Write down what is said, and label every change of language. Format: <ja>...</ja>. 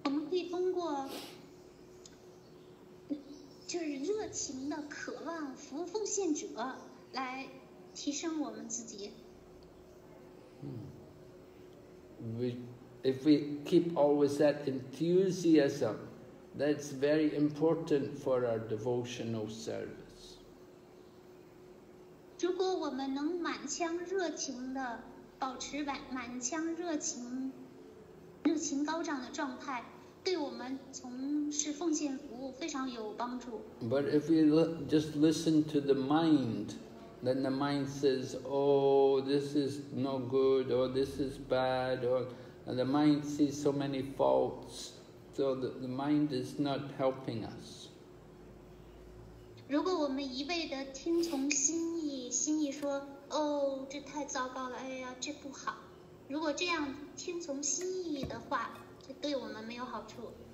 <en>We can</en> <zh>通过就是热情的渴望服务奉献者来提升我们自己。</zh> <en>If we keep always that enthusiasm, that's very important for our devotional service.</en> <zh>如果我们能满腔热情的保持满腔热情高涨的状态，对我们从事奉献服务非常有帮助。</zh> <en>But if we just listen to the mind, then the mind says, "Oh, this is no good, or this is bad," or and the mind sees so many faults, so the mind is not helping us.</en> <zh>如果我们一味地听从心意，心意说，哦，这太糟糕了，哎呀，这不好。如果这样听从心意的话，这对我们没有好处。</zh>